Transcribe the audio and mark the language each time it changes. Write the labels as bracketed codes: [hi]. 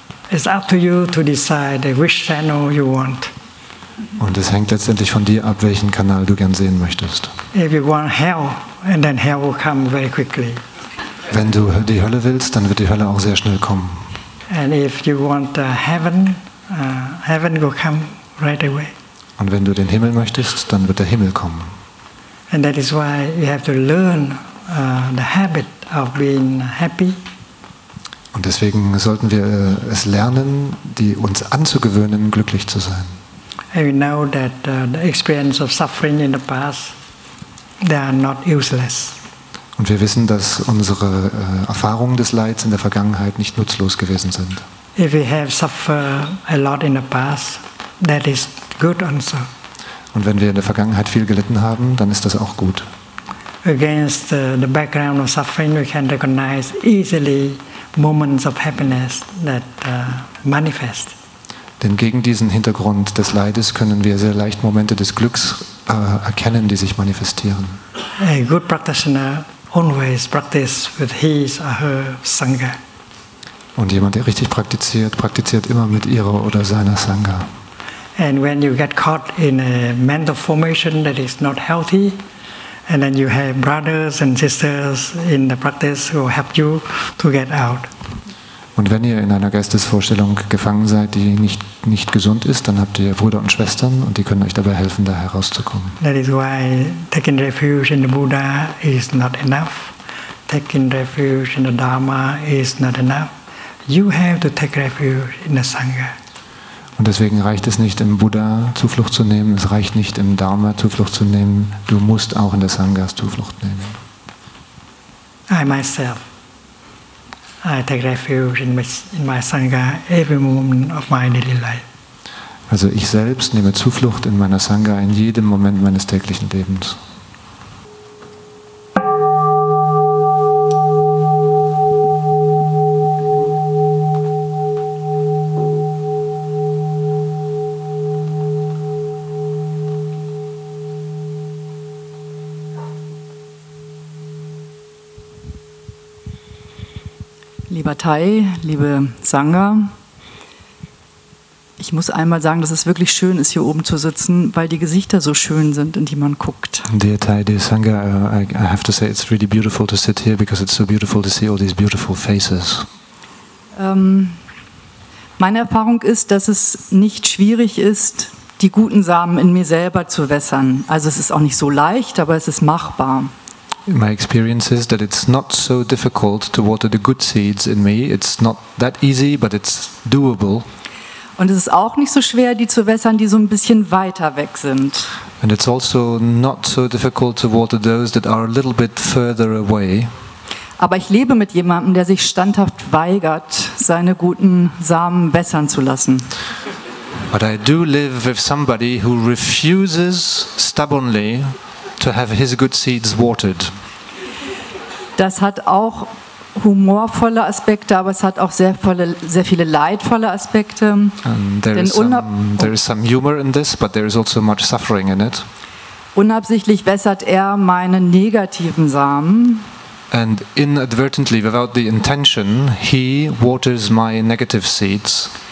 [en] It's up to you to decide which channel you want. [de] Und es hängt letztendlich von dir ab, welchen Kanal du gern sehen möchtest. [en] If you want hell, and then hell will come very quickly. [de] Wenn du die Hölle willst, dann wird die Hölle auch sehr schnell kommen. [en] And if you want heaven, heaven will come right away. [de] Und wenn du den Himmel möchtest, dann wird der Himmel kommen. [en] And that is why you have to learn the habit of being happy. [de] Und deswegen sollten wir es lernen, uns anzugewöhnen, glücklich zu sein. [en] And we know that the experience of suffering in the past, they are not useless. [de] Und wir wissen, dass unsere Erfahrungen des Leids in der Vergangenheit nicht nutzlos gewesen sind. [en] If we have suffered a lot in the past, that is good also. [de] Und wenn wir in der Vergangenheit viel gelitten haben, dann ist das auch gut. [en] against the background of suffering, we can recognize easily moments of happiness that manifest. [de] Denn gegen diesen Hintergrund des Leides können wir sehr leicht Momente des Glücks erkennen, die sich manifestieren. [en] A good practitioner always practices with his or her sangha. [de] Und jemand, der richtig praktiziert, praktiziert immer mit ihrer oder seiner Sangha. [en] And when you get caught in a mental formation that is not healthy, and then you have brothers and sisters in the practice who help you to get out. [de] Und wenn ihr in einer Geistesvorstellung gefangen seid, die nicht gesund ist, dann habt ihr Brüder und Schwestern und die können euch dabei helfen, da herauszukommen. [en] That is why taking refuge in the Buddha is not enough. Taking refuge in the Dharma is not enough. You have to take refuge in the Sangha. [de] Und deswegen reicht es nicht, im Buddha Zuflucht zu nehmen, es reicht nicht, im Dharma Zuflucht zu nehmen, du musst auch in der Sangha Zuflucht nehmen. [en] I take refuge in my Sangha every moment of my daily life. [de] Also ich selbst nehme Zuflucht in meiner Sangha in jedem Moment meines täglichen Lebens. Lieber Thay, liebe Sangha, ich muss einmal sagen, dass es wirklich schön ist, hier oben zu sitzen, weil die Gesichter so schön sind, in die man guckt. [en] Dear Thay, dear Sangha, I have to say it's really beautiful to sit here because it's so beautiful to see all these beautiful faces. [de] Meine Erfahrung ist, dass es nicht schwierig ist, die guten Samen in mir selber zu wässern. Also es ist auch nicht so leicht, aber es ist machbar. [en] My experience is that it's not so difficult to water the good seeds in me. It's not that easy, but it's doable. [de] Und es ist auch nicht so schwer, die zu wässern, die so ein bisschen weiter weg sind. [en] And it's also not so difficult to water those that are a little bit further away. [de] Aber ich lebe mit jemandem, der sich standhaft weigert, seine guten Samen wässern zu lassen. [en] But I do live with somebody who refuses stubbornly to have his good seeds watered. [de] Das hat auch humorvolle Aspekte, aber es hat auch sehr viele leidvolle Aspekte. [en] There is some humor in this, but there is also much suffering in it. [de] Unabsichtlich wässert er meine negativen Samen. [en] And inadvertently, without the intention, he waters my negative seeds.